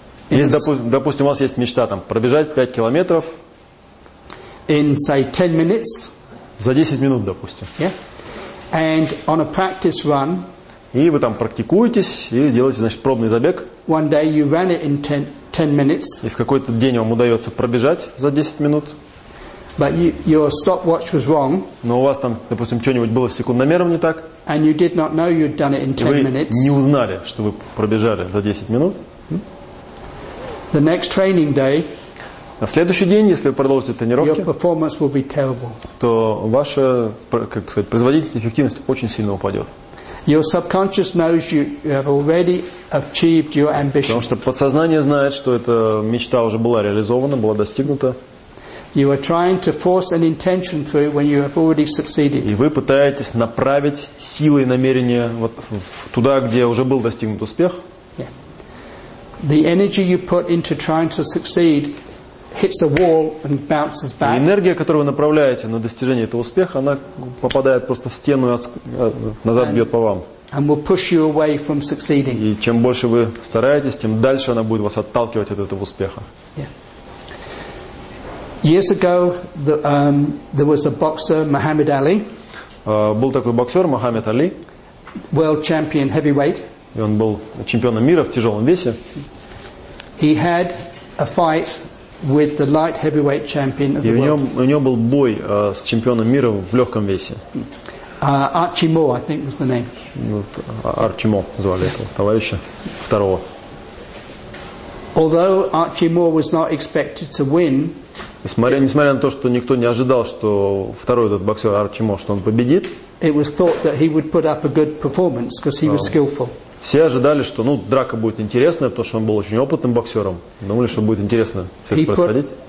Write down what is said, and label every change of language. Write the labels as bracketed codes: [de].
[ru] Если, допустим, у вас есть мечта там пробежать 5 километров [en] in say 10 minutes. [ru] За 10 минут, допустим. [en] Yeah. And on a practice run. [ru] И вы там практикуетесь и делаете, значит, пробный забег. [en] One day you ran it in 10 minutes. [ru] И в какой-то день вам удается пробежать за 10 минут. [en] But your stopwatch was wrong. [ru] Но у вас там, допустим, что-нибудь было с секундомером не так. [en] And you did not know you'd done it in 10 minutes. [ru] И вы не узнали, что вы пробежали за 10 минут. [en] The next training day. [ru] На следующий день, если вы продолжите тренировки, [en] your performance will be terrible. [ru] То ваша, как сказать, производительность, эффективность очень сильно упадет. [en] Your subconscious knows you have already achieved your ambition. [ru] Потому что подсознание знает, что эта мечта уже была реализована, была достигнута. [en] You are trying to force an intention through when you have already succeeded. [ru] И вы пытаетесь направить силой намерения вот туда, где уже был достигнут успех. [en] Yeah. The energy you put into trying to succeed hits a wall and bounces back. [ru] И энергия, которую вы направляете на достижение этого успеха, она попадает просто в стену и назад бьет по вам. [en] And will push you away from succeeding. [ru] И чем больше вы стараетесь, тем дальше она будет вас отталкивать от этого успеха. [en] Yeah. Years ago, there was a boxer, Muhammad Ali. [ru] Был такой боксер Мухаммед Али. [en] World champion heavyweight. [ru] И он был чемпионом мира в тяжелом весе. [en] He had a fight with the light heavyweight champion of the world. [ru] И у него был бой с чемпионом мира в легком весе. [en] Archie Moore, I think, was the name. [ru] Archie Moore звали этого товарища второго. [en] Although Archie Moore was not expected to win. [ru] Несмотря на то, что никто не ожидал, что второй этот боксер Арчи Мо, что он победит, все ожидали, что драка будет интересная, потому что он был очень опытным боксером. Думали, что будет интересно все это происходить.